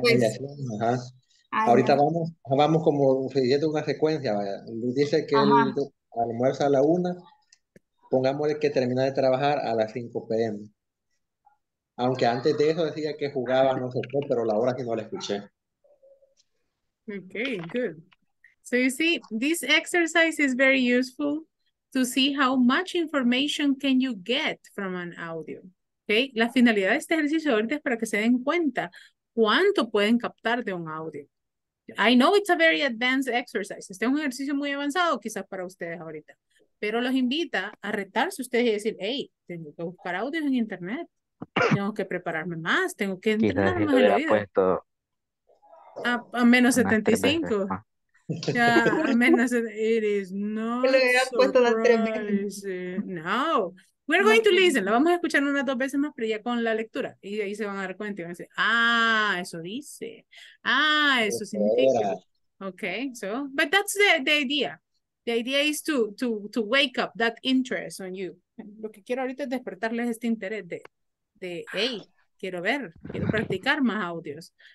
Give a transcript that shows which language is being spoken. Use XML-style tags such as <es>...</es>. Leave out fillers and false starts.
<es>Pues, ajá. Ay, ahorita no. vamos como siguiendo una secuencia, vaya. Dice que él almuerza a la una. Pongámosle que termina de trabajar a las 5 p.m. Aunque antes de eso decía que jugaba, no sé qué, pero la hora que no la escuché.</es> <en>Ok, good. So you see, this exercise is very useful to see how much information can you get from an audio. Okay?</en> <es>La finalidad de este ejercicio ahorita es para que se den cuenta cuánto pueden captar de un audio.</es> <en>I know it's a very advanced exercise.</en> <es>Este es un ejercicio muy avanzado quizás para ustedes ahorita. Pero los invita a retarse ustedes y decir, hey, tengo que buscar audios en internet, tengo que prepararme más, tengo que entrenar más en la vida. Puesto a menos 75. Ya, a menos,</es> <en>it is not surprising. No, we're going to listen,</en> <es>lo vamos a escuchar unas dos veces más, pero ya con la lectura, y ahí se van a dar cuenta y van a decir, ah, eso dice, ah, eso significa.</es> <en>Okay, so, but that's the idea. The idea is to wake up that interest on you.</en> <es>Lo que quiero ahorita es despertarles este interés de hey, quiero ver, quiero practicar más audios.</es>